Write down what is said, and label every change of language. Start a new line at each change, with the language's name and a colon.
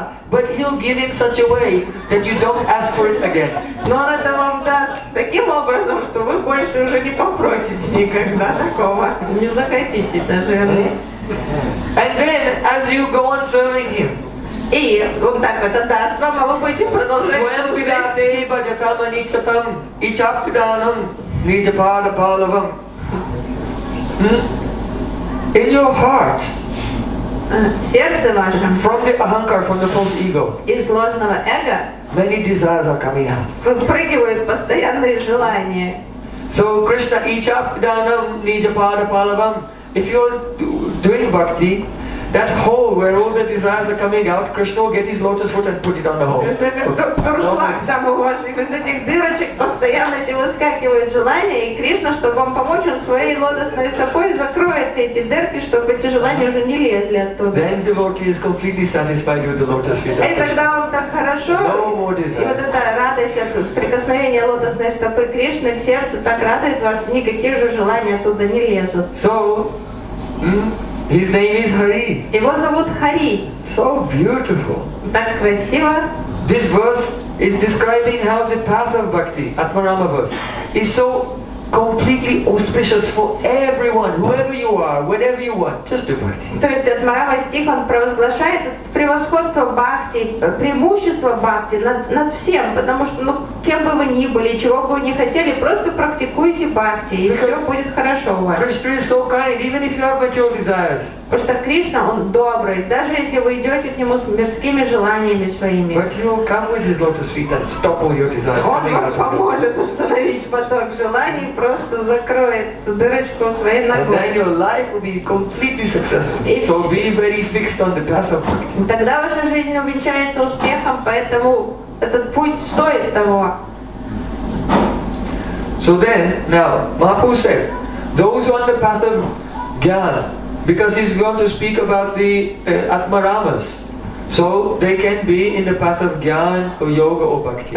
English: But he'll give it such a way that you don't ask for it again.
Russian: Но он это вам даст таким образом, что вы больше уже не попросите никогда такого. Не захотите даже.
English: And then as you go on serving him.
Russian: И вот так вот отдаст вам, а вы будете продолжать служить.
English: In your heart,
Russian: в сердце вашем,
English: from the ahankar, from the false ego,
Russian: из ложного эго,
English: many desires are coming out.
Russian: Выпрыгивают постоянные желания.
English: So Krishna, ichapidanam, nijapadapalavam, if you're doing bhakti, that hole where all the desires are coming out, Krishna will get his lotus foot and put it on the hole.
Russian: Там у вас из этих дырочек постоянно эти выскакивают желания, и Кришна, чтобы вам помочь, он своей лотосной стопой закроет все эти дырки, чтобы эти желания уже не лезли оттуда.
English: Then the devotee is completely satisfied with the lotus feet.
Russian: И тогда вам так хорошо.
English: No more desires.
Russian: И вот эта радость от прикосновения лотосной стопы Кришны к сердцу так радует вас, никакие же желания оттуда не лезут.
English: So. His name is Hari.
Russian: Его зовут Хари.
English: So beautiful.
Russian: Так красиво.
English: This verse is describing how the path of bhakti, Atmarama verse, is so completely auspicious for everyone, whoever you are, whatever you want, just do bhakti.
Russian: То есть Атмарама стих, он провозглашает превосходство бхакти, преимущество бхакти над всем, потому что, ну, кем бы вы ни были, чего бы вы ни хотели, просто практикуйте бхакти, и все будет хорошо у вас.
English: Krishna is so kind, even if you have material desires.
Russian: Потому что Кришна, он добрый, даже если вы идете к нему с мирскими желаниями своими.
English: But he will come with his lotus feet and stop all your desires coming out of you.
Russian: Он вам поможет остановить поток желаний, просто закроет дырочку своей ногой.
English: And then your life will be completely successful. So be very fixed on the path of bhakti.
Russian: Тогда ваша жизнь увенчается успехом, поэтому этот путь стоит того.
English: So then, now, Mahaprabhu said, those who are on the path of Gyana, because he's going to speak about the Atmaramas, so they can be in the path of Gyana, or Yoga, or Bhakti.